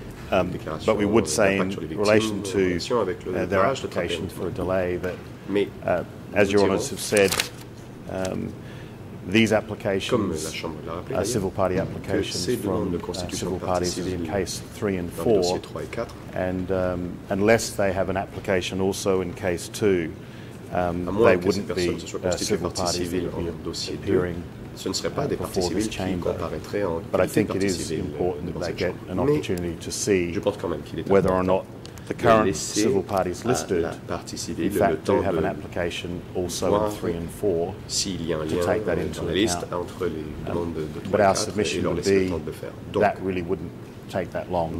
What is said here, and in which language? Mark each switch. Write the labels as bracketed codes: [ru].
[en] But we would say in relation to their application for a delay that, as your honours have said, these applications are civil party applications from civil parties in case 3 and 4, and unless they have an application also in case 2, they wouldn't be civil parties that would be appearing. [fr] Ce ne serait pas des parties civiles qui comparaîtraient en [en] but I think it is important that they get an opportunity to see whether or not the current civil parties listed in fact do have an application also in 3 and 4 [fr] s'il y a un lien [en] to take that into account. But our submission would be that really wouldn't take that long.